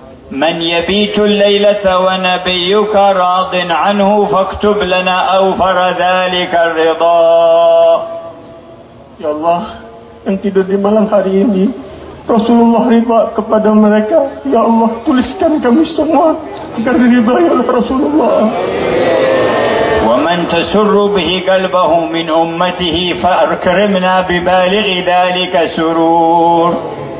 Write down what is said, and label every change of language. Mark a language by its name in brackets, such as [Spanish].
[Arabic] من يبيت الليلة ونبيك راض عنه فاكتب لنا أوفر ذلك الرضا. [Indonesian] يا الله yang tidur di malam hari ini Rasulullah ridha kepada mereka. Ya Allah, tuliskan kami semua agar diridhai oleh Rasulullah. [Arabic] ومن تسر به قلبه من أمته فأكرمنا ببالغ ذلك سرور.